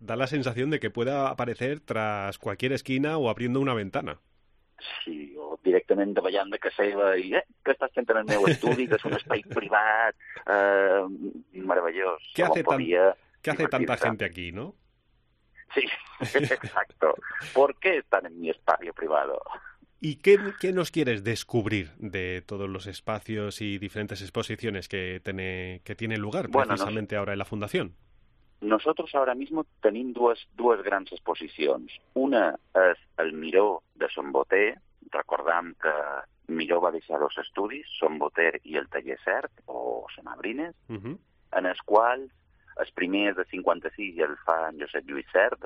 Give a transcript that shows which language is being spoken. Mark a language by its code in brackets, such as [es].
[es] Da la sensació de que pueda aparecer tras cualquier esquina o abriendo una ventana. [ca] Sí, o directament davallant de casa seva i, que estàs fent en el meu estudi, que és un espai privat, meravellós. [es] ¿Qué hace, ¿qué hace tanta gente aquí, no? Sí, exacto. ¿Por qué están en mi espacio privado? ¿Y qué nos quieres descubrir de todos los espacios y diferentes exposiciones que tiene lugar, bueno, precisamente ahora en la Fundación? Nosotros ahora mismo [ca] tenim dues grans exposicions. Una és el Miró de Son Boter. Recordam que Miró va deixar dos estudis, Son Boter i el Taller Cert, o Son Abrines, uh-huh, en els quals el primer és de 56 i el fa en Josep Lluís Cert.